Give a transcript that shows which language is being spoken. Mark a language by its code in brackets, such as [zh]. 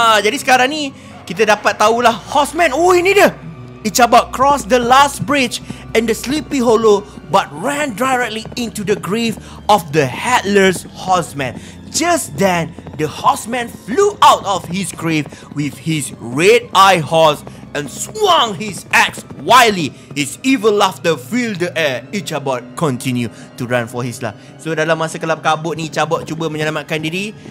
[ms] Jadi sekarang ni kita dapat tahulah horseman. Oh, ini dia. [en] Icabot crossed the last bridge in the Sleepy Hollow but ran directly into the grave of the headless horseman. Just then, the horseman flew out of his grave with his red-eyed horse and swung his axe wildly. His evil laughter filled the air. Icabot continued to run for his life. [ms] So dalam masa kelap kabut ni, Icabot cuba menyelamatkan diri.